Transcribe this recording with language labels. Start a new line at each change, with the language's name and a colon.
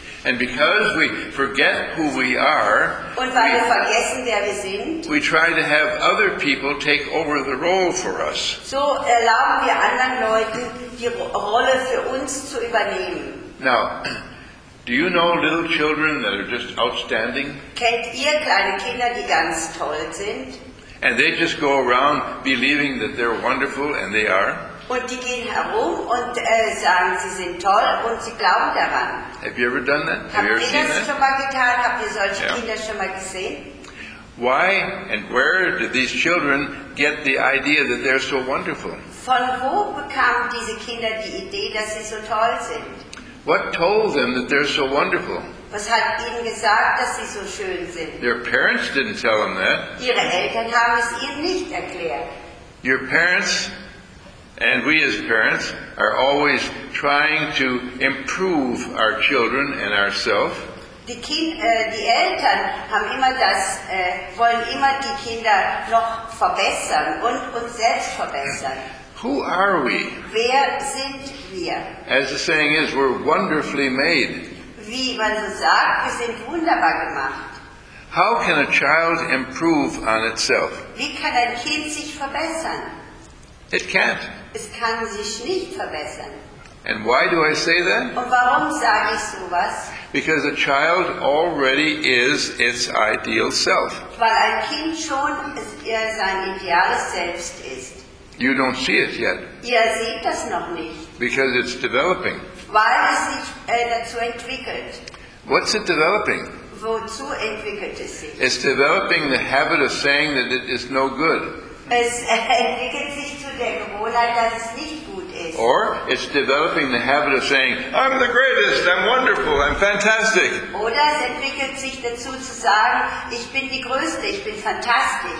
English: And because we forget who we are,
German: und weil wir vergessen, wer wir sind,
English: we try to have other people take over the role for us.
German: So erlauben wir anderen Leuten, die Rolle für uns zu übernehmen.
English: Now, do you know little children that are just outstanding?
German: Kennt ihr kleine Kinder, die ganz toll sind?
English: And they just go around believing that they're wonderful, and they are.
German: Und die gehen herum und sagen, sie sind toll und sie glauben daran.
English: Have you ever done that? Have you ever seen that?
German: Schon mal getan? Habt ihr solche Kinder schon mal gesehen?
English: Why and where did these children get the idea that they're so wonderful?
German: Von wo bekamen diese Kinder die Idee, dass sie so toll sind?
English: What told them that they're so wonderful?
German: Was hat ihnen gesagt, dass sie so schön sind?
English: Their parents didn't tell them that.
German: Ihre Eltern haben es ihnen nicht erklärt.
English: Your parents and we as parents are always trying to improve our children and ourselves.
German: Die Eltern haben immer das, wollen immer die Kinder noch verbessern und uns selbst verbessern.
English: Who are we?
German: Wer sind wir?
English: As the saying is, we're wonderfully made.
German: Wie man so sagt, wir sind wunderbar gemacht.
English: How can a child improve on itself?
German: Wie kann ein Kind sich verbessern?
English: It can't.
German: Es kann sich nicht verbessern.
English: And why do I say that?
German: Und warum sage ich sowas?
English: Because a child already is its ideal self.
German: Weil ein Kind schon sein ideales Selbst ist.
English: You don't see it yet.
German: Ihr seht das noch nicht.
English: Because it's developing.
German: Weil es sich dazu entwickelt.
English: What's it developing?
German: Wozu entwickelt es sich?
English: It's developing the habit of saying that it is no good.
German: Es entwickelt sich zu der Gewohnheit, dass es nicht gut ist.
English: Or it's developing the habit of saying, I'm the greatest, I'm wonderful, I'm fantastic.
German: Oder es entwickelt sich dazu zu sagen, ich bin die Größte, ich bin fantastisch.